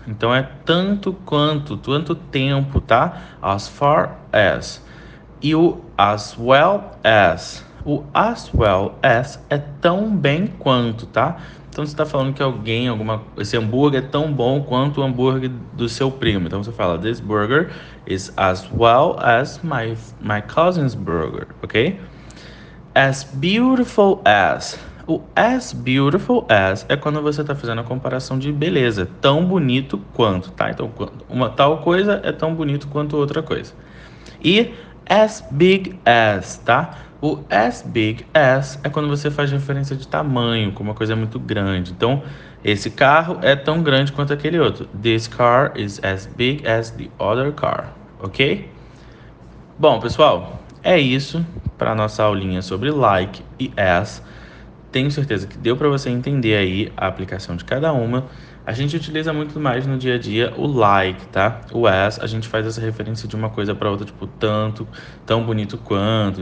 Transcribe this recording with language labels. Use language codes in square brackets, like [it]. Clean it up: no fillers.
[pt] Então é tanto tempo, tá? [en] As far as. E o as well as. [pt] O as well as é tão bem quanto, tá? Então você tá falando que esse hambúrguer é tão bom quanto o hambúrguer do seu primo. Então você fala, [en] this burger is as well as my cousin's burger, ok? As beautiful as. [pt] O as beautiful as é quando você está fazendo a comparação de beleza, tão bonito quanto, tá? Então, uma tal coisa é tão bonito quanto outra coisa. E as big as, tá? O as big as é quando você faz referência de tamanho, como uma coisa é muito grande. Então, esse carro é tão grande quanto aquele outro. [en] This car is as big as the other car, ok? [pt] Bom, pessoal, é isso para a nossa aulinha sobre like e as. Tenho certeza que deu para você entender aí a aplicação de cada uma. A gente utiliza muito mais no dia a dia o like, tá? O as, a gente faz essa referência de uma coisa para outra, tipo, tanto, tão bonito quanto.